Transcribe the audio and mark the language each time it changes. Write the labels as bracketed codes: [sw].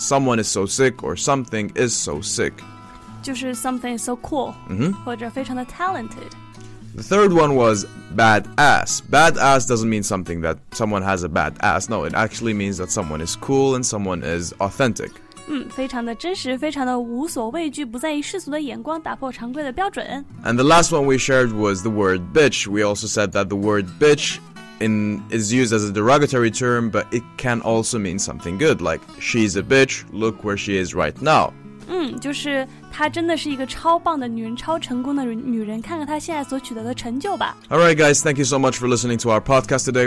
[en] someone is so sick or something is so sick. [zh] 就是 [en] something so cool、 mm-hmm. [zh] 或者非常的 talented. [en] The third one was badass. Badass doesn't mean something that someone has a bad ass. No, it actually means that someone is cool and someone is authentic. [zh] 非常的真实，非常的无所畏惧，不在意世俗的眼光，打破常规的标准。 [en] And the last one we shared was the word bitch. We also said that the word bitch is used as a derogatory term, but it can also mean something good. Like, she's a bitch, look where she is right now. [zh] 就是她真的是一个超棒的女人，超成功的女人，看看她现在所取得的成就吧。 [en] Alright guys, thank you so much for listening to our podcast today.